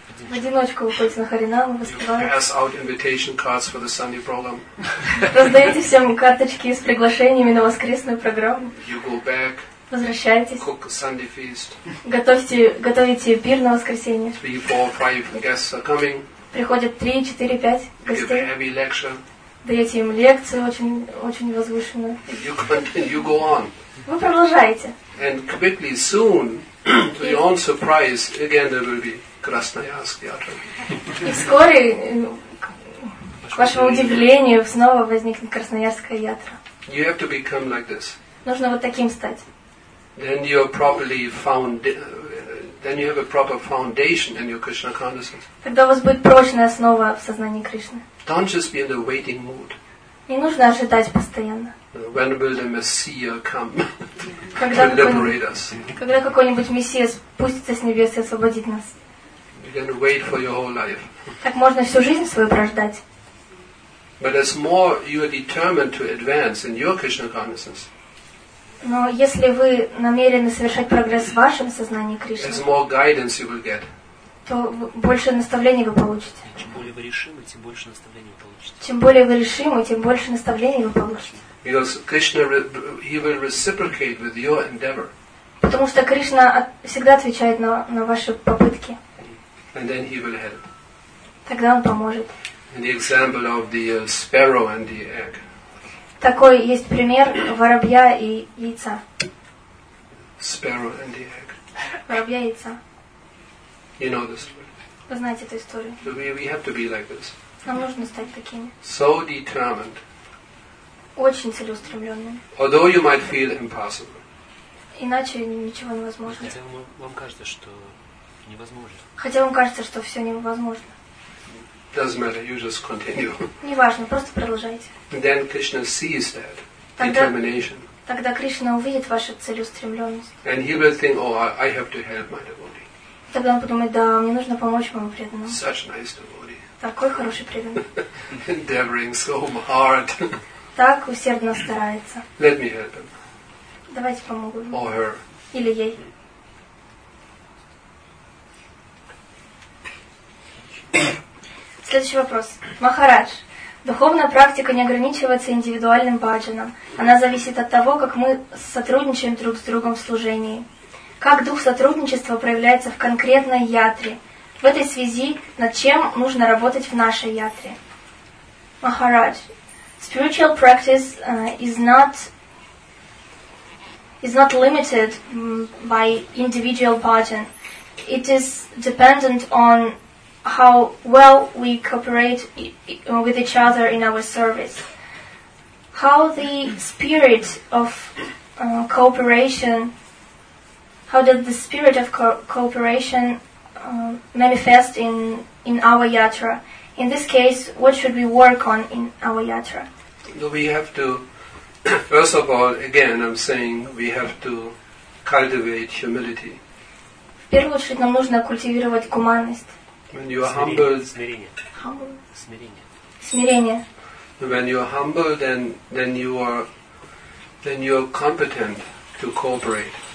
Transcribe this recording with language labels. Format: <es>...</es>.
<ru>В одиночку выходите на Харинаму, выступаете.</ru> <en>Pass out invitation cards for the Sunday program.</en> <ru>Раздаете всем карточки с приглашениями на воскресную программу.</ru> <en>You go back.</en> <ru>Возвращайтесь.</ru> <en>Cook Sunday feast.</en> <ru>Готовите пир на воскресенье.</ru> <en>3, 4, 5 guests are coming.</en> <ru>Приходят 3, 4, 5 гостей.</ru> <en>Give a heavy lecture.</en> <ru>Даете им лекцию очень возвышенную.</ru> <en>You continue, you go on.</en> <ru>Вы продолжаете.</ru> <en>And quickly, soon, to your own surprise, again there will be Krasnoyarsk Yatra.</en> <ru>И вскоре, к вашему удивлению, снова возникнет Красноярская Ятра.</ru> <en>You have to become like this.</en> <ru>Нужно вот таким стать.</ru> <en>Then you're properly found. Then you have a proper foundation in your Krishna consciousness.</en> <ru>Тогда у вас будет прочная основа в сознании Кришны.</ru> <en>Don't just be in a waiting mood.</en> <ru>Не нужно ожидать постоянно.</ru> <en>When will the Messiah come to liberate us?</en> <ru>Когда какой-нибудь Мессия спустится с небес и освободит нас?</ru> <en>You can wait for your whole life.</en> <ru>Так можно всю жизнь свою прождать.</ru> <en>But as more you are determined to advance in your Krishna consciousness.</en> <ru>Но если вы намерены совершать прогресс в вашем сознании Кришны, то больше наставлений вы получите. Чем более вы решимы, тем больше наставлений вы получите. Чем более вы решимы, тем больше наставлений вы получите.</ru> <en>Because Krishna, he will reciprocate with your endeavor.</en> <ru>Потому что Кришна всегда отвечает на ваши попытки.</ru> <en>And then he will help.</en> <ru>Тогда он поможет.</ru> <en>And the example of the sparrow and the egg.</en> <ru>Такой есть пример воробья и яйца.</ru> <en>Sparrow and the egg.</en> <ru>Воробья и яйца.</ru> <en>You know this story.</en> <ru>Вы знаете эту историю.</ru> <en>We have to be like this.</en> <ru>Нам нужно стать такими.</ru> <en>So determined.</en> <ru>Очень целеустремленными.</ru> <en>Although you might feel impossible.</en> <ru>Иначе ничего невозможно. Хотя вам кажется, что невозможно. Хотя вам кажется, что все невозможно.</ru> <en>Doesn't matter. You just continue.</en> <ru>Не важно, просто продолжайте.</ru> <en>Then Krishna sees that determination.</en> <ru>Тогда Кришна увидит вашу целеустремленность.</ru> <en>And he will think, oh, I have to help my devotee.</en> <ru>Тогда он подумает, да, мне нужно помочь моему преданному.</ru> <en>Such nice devotee.</en> <ru>Такой хороший преданный.</ru> <en>Endeavoring so hard.</en> <ru>так усердно старается.</ru> <en>Let me help him.</en> <ru>Давайте помогу ему.</ru> <en>Or her.</en> <ru>Или ей. Следующий вопрос. Махарадж, духовная практика не ограничивается индивидуальным баджаном. Она зависит от того, как мы сотрудничаем друг с другом в служении. Как дух сотрудничества проявляется в конкретной ятре? В этой связи над чем нужно работать в нашей ятре?</ru> <en>Махарадж, spiritual practice is not limited by individual bhajan. It is dependent on how well we cooperate with each other in our service. How the spirit of cooperation, how does the spirit of cooperation manifest in our yatra? In this case, what should we work on in our yatra? We have to, first of all, again, I'm saying we have to cultivate humility.</en> <ru>В первую очередь нам нужно культивировать гуманность.</ru> <en>When you are humbled,</en> <ru>смирение.</ru> <en>When you are humble, then you are competent to cooperate.</en>